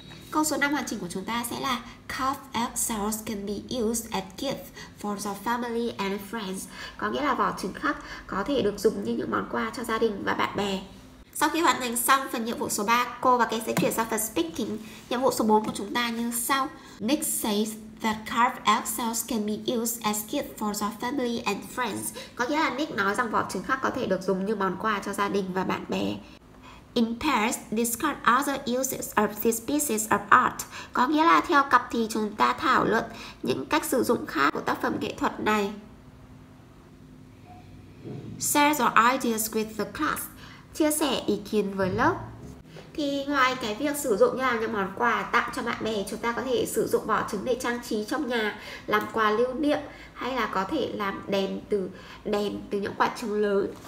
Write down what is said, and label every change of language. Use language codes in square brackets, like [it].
[vi] Câu số 5 hoàn chỉnh của chúng ta sẽ là [en] carved eggshells can be used as gifts for the family and friends. [vi] Có nghĩa là vỏ trứng khắc có thể được dùng như những món quà cho gia đình và bạn bè. Sau khi hoàn thành xong phần nhiệm vụ số 3, cô và Kay sẽ chuyển sang phần speaking. Nhiệm vụ số 4 của chúng ta như sau. [en] Nick says The carved egg shells can be used as gifts for the family and friends. [vi] Có nghĩa là Nick nói rằng vỏ trứng khác có thể được dùng như món quà cho gia đình và bạn bè. [en] In pairs, discuss other uses of these pieces of art. [vi] Có nghĩa là theo cặp thì chúng ta thảo luận những cách sử dụng khác của tác phẩm nghệ thuật này. [en] Share your ideas with the class. [vi] Chia sẻ ý kiến với lớp. Thì ngoài cái việc sử dụng như là những món quà tặng cho bạn bè, chúng ta có thể sử dụng vỏ trứng để trang trí trong nhà, làm quà lưu niệm, hay là có thể làm đèn từ những quả trứng lớn.